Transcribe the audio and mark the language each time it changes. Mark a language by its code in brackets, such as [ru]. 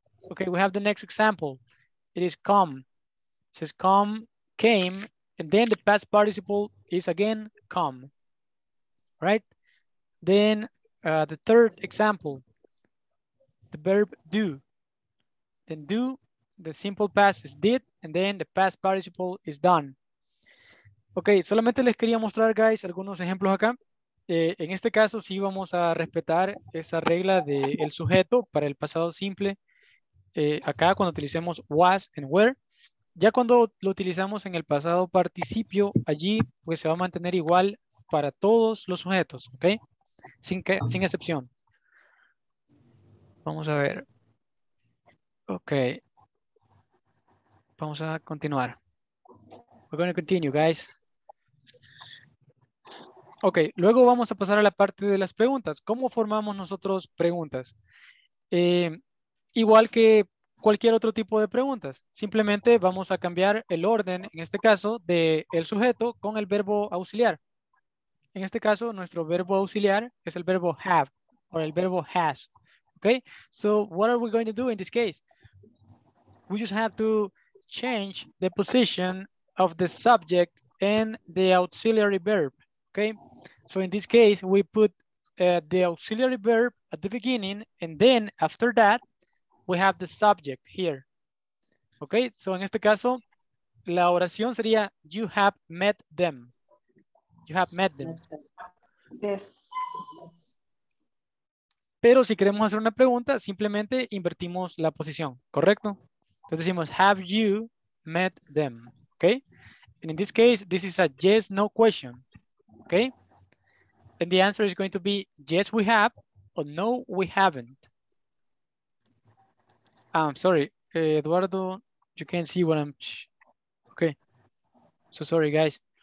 [en] Okay, we have the next example. It is come. It says come, came, and then the past participle is again come, right? Then the third example, the verb do. Then do, the simple past is did, and then the past participle is done. [es] Ok, solamente les quería mostrar, guys, algunos ejemplos acá. En este caso, sí vamos a respetar esa regla del sujeto para el pasado simple. Acá, cuando utilicemos was and were. Ya cuando lo utilizamos en el pasado participio, allí pues se va a mantener igual para todos los sujetos, ¿ok? Sin excepción. Vamos a ver. Ok. Vamos a continuar. [en] We're going to continue, guys. [es] Ok, luego vamos a pasar a la parte de las preguntas. ¿Cómo formamos nosotros preguntas? Igual que cualquier otro tipo de preguntas. Simplemente vamos a cambiar el orden, en este caso, del sujeto con el verbo auxiliar. En este caso, nuestro verbo auxiliar es el verbo have o el verbo has. [en] Ok, so what are we going to do in this case? We just have to change the position of the subject and the auxiliary verb. Ok, so in this case, we put the auxiliary verb at the beginning, and then after that, we have the subject here. Ok, so [es] en este caso, la oración sería, [en] you have met them. You have met them. Yes. [es] Pero si queremos hacer una pregunta, simplemente invertimos la posición, ¿correcto? Entonces decimos, [en] have you met them? Ok, and in this case, this is a yes, no question. Okay, and the answer is going to be yes, we have, or no, we haven't. I'm sorry, Eduardo, you can't see what I'm. Okay, so sorry, guys.